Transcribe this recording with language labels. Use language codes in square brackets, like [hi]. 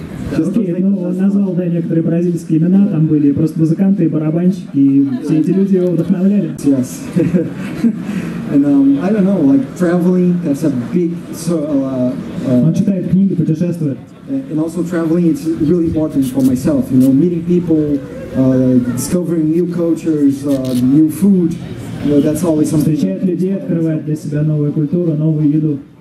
[ru] Назвал да некоторые бразильские имена. Там были просто музыканты и барабанщики, и все эти люди его вдохновляли. [en] Yes. And I don't know, like traveling. That's a big. [ru] Он читает книги, путешествует. [en] And also traveling, it's really important for myself. You know, meeting people, discovering new cultures, new food. You know, that's always something. [ru] Встречает людей, открывает для себя новую культуру, новую еду.